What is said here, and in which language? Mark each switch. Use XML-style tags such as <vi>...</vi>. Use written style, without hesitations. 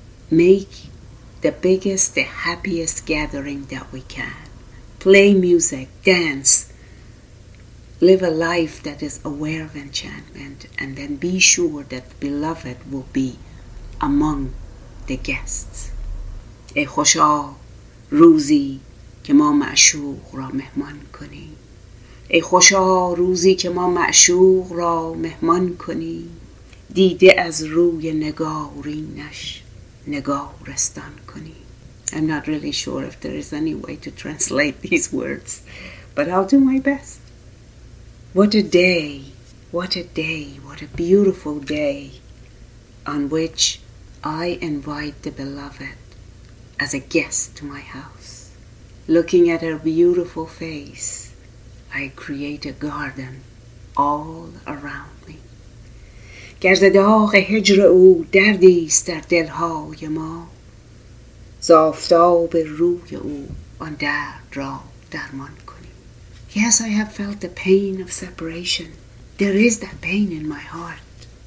<en>Make the biggest, the happiest gathering that we can. Play music, dance. Live a life that is aware of enchantment, and then be sure that the beloved will be among the guests.</en> <fa>ای خوشا روزی که ما معشوق را مهمان کنیم. ای خوشا روزی که ما معشوق را مهمان کنیم. دیده از روی نگارینش نگارستان کنیم.</fa> <en>I'm not really sure if there is any way to translate these words, but I'll do my best. What a day, what a day, what a beautiful day on which I invite the beloved as a guest to my house. Looking at her beautiful face, I create a garden all around me.</en> <fa>گر ز داغ هجر او دردی است در دلهای ما، ز آفتاب روی او آن درد را درمان کنیم.</fa> <en>Yes, I have felt the pain of separation. There is that pain in my heart.</en>